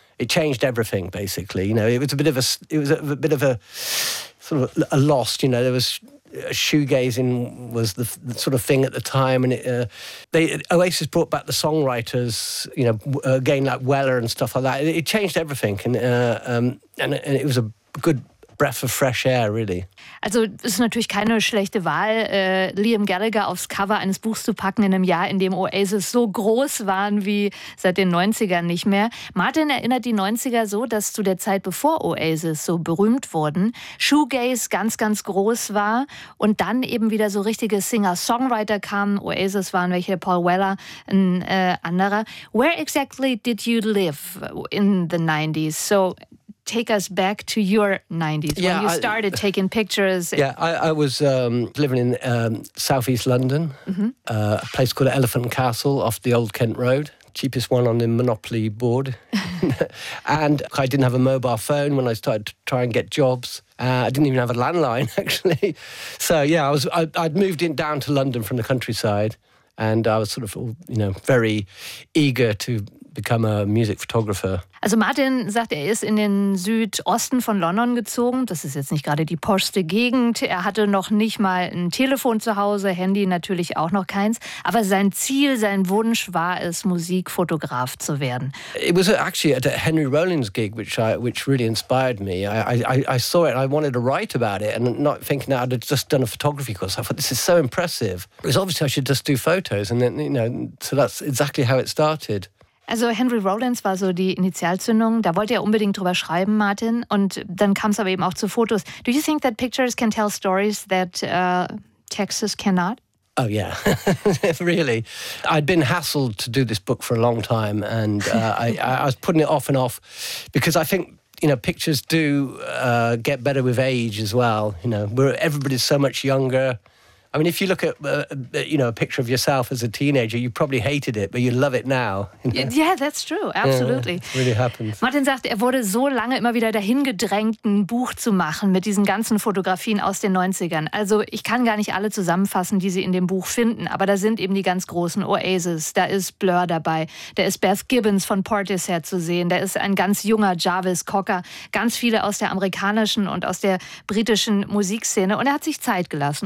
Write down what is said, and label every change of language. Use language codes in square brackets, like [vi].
[en] It changed everything, basically. You know, it was a bit of a loss. You know, there was shoegazing was the sort of thing at the time, and Oasis brought back the songwriters, you know, again like Weller and stuff like that. It changed everything, and it was a good breath of fresh air, really. [de] Also es ist natürlich keine schlechte Wahl, Liam Gallagher aufs Cover eines Buchs zu packen in einem Jahr, in dem Oasis so groß waren wie seit den 90ern nicht mehr. Martin erinnert die 90er so, dass zu der Zeit, bevor Oasis so berühmt wurden, Shoegaze ganz, ganz groß war und dann eben wieder so richtige Singer-Songwriter kamen. Oasis waren welche, Paul Weller, ein anderer. [en] Where exactly did you live in the 90s? So take us back to your 90s, yeah, when you started taking pictures. Yeah, I was living in southeast London, a place called Elephant Castle off the Old Kent Road, cheapest one on the Monopoly board. And I didn't have a mobile phone when I started to try and get jobs. I didn't even have a landline, actually. So, yeah, I'd moved in down to London from the countryside, and I was sort of, you know, very eager to become a music photographer. [de] Also Martin sagt, er ist in den Südosten von London gezogen. Das ist jetzt nicht gerade die poste Gegend. Er hatte noch nicht mal ein Telefon zu Hause, Handy natürlich auch noch keins. Aber sein Ziel, sein Wunsch war es, Musikfotograf zu werden. [en] It was actually at a Henry Rollins gig, which really inspired me. I saw it, I wanted to write about it, and not thinking that I'd have just done a photography course. I thought, this is so impressive. It was obviously I should just do photos. And then, you know, so that's exactly how it started. [de] Also Henry Rollins war so die Initialzündung. Da wollte er unbedingt drüber schreiben, Martin. Und dann kam es aber eben auch zu Fotos. [en] Do you think that pictures can tell stories that texts cannot? Oh yeah, really. I'd been hassled to do this book for a long time, and I was putting it off and off because I think, you know, pictures do get better with age as well. You know, everybody's so much younger. I mean, if you look at you know, a picture of yourself as a teenager, you probably hated it, but you love it now. You know? Yeah, that's true. Absolutely. Yeah, really happened. [de] Martin sagt, er wurde so lange immer wieder dahin gedrängt, ein Buch zu machen mit diesen ganzen Fotografien aus den 90ern. Also ich kann gar nicht alle zusammenfassen, die sie in dem Buch finden, aber da sind eben die ganz großen Oasis, da ist Blur dabei, da ist Beth Gibbons von Portishead zu sehen, da ist ein ganz junger Jarvis Cocker, ganz viele aus der amerikanischen und aus der britischen Musikszene, und er hat sich Zeit gelassen.